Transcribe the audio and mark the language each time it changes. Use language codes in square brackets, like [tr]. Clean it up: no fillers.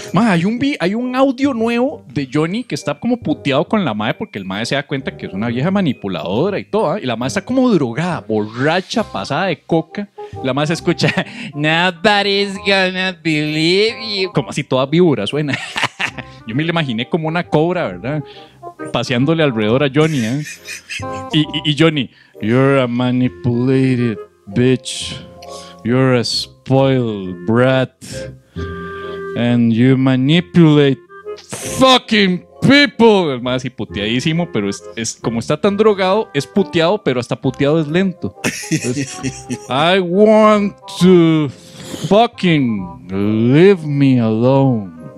[es] Ma, hay un audio nuevo de Johnny que está como puteado con la madre porque el madre se da cuenta que es una vieja manipuladora y todo. Y la madre está como drogada, borracha, pasada de coca. La madre se escucha, [en] nobody's gonna believe you. [es] Como así toda víbora suena. Yo me lo imaginé como una cobra, ¿verdad? Paseándole alrededor a Johnny, ¿eh? [en] Y Johnny, you're a manipulated bitch. You're a spoiled brat. And you manipulate fucking people. [es] Es más, y puteadísimo, pero es como está tan drogado, es puteado, pero hasta puteado es lento. Entonces, [en] I want to fucking leave me alone.